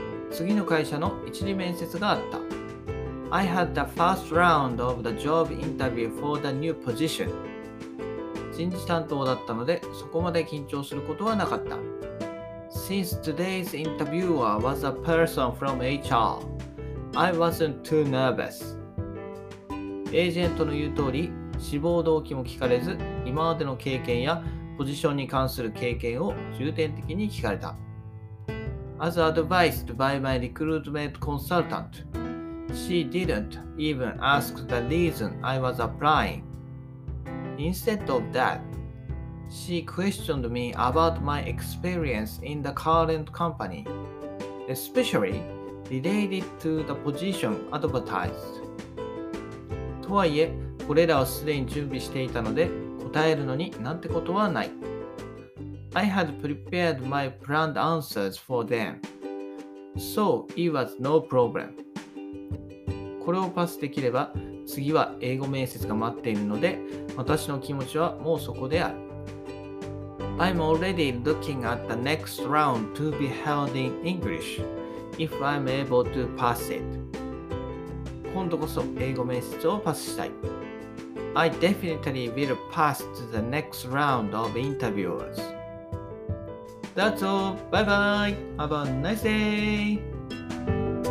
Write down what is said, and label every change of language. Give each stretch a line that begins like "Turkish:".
Japanese: 次の会社の一次面接があった。
English: I had the first round of the job interview for the new position.
Japanese: 人事担当だったので、そこまで緊張することはなかった。
English: Since today's interviewer was a person from HR, I wasn't too nervous.
Japanese: エージェントの言う通り、志望動機も聞かれず、今までの経験やポジションに関する経験を重点的に聞かれた。
English: As advised by my recruitment consultant, she didn't even ask the reason I was applying. Instead of that, she questioned me about my experience in the current company, especially related to the position advertised.
Japanese: とはいえ、これらをすでに準備していたので、答えるのになんてことはない。
English: I had prepared my planned answers for them, so it was no problem.
Japanese: これをパスできれば、次は英語面接が待っているので、私の気持ちはもうそこである。
English: I'm already looking at the next round to be held in English, if I'm able to pass it.
Japanese: 今度こそ英語面接をパスしたい。
English: I definitely will pass to the next round of interviewers. That's all. Bye bye. Have a nice day.